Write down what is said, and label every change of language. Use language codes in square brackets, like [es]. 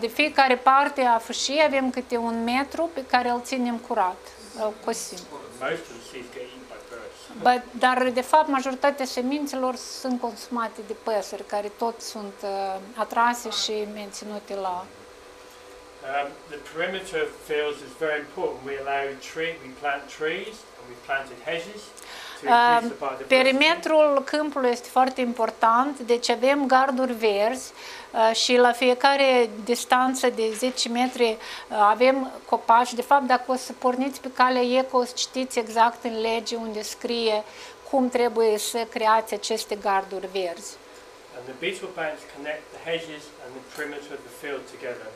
[ro] De fiecare parte a fâșiei avem câte un metru pe care îl ținem curat, îl cosim. [en] Most of the seeds get eaten by birds. [ro] But, dar de fapt majoritatea semințelor sunt consumate de păsări care tot sunt atrase și menținute la. [en] The perimeter of fields is very important. We plant trees. We planted hedges to increase the biodiversity. [ro] Perimetrul câmpului este foarte important, deci avem garduri verzi și la fiecare distanță de 10 metri avem copaci. De fapt, dacă o să porniți pe calea eco, o să citiți exact în lege unde scrie cum trebuie să creați aceste garduri verzi. [en] And the beetle banks connect the hedges and the perimeter of the field together.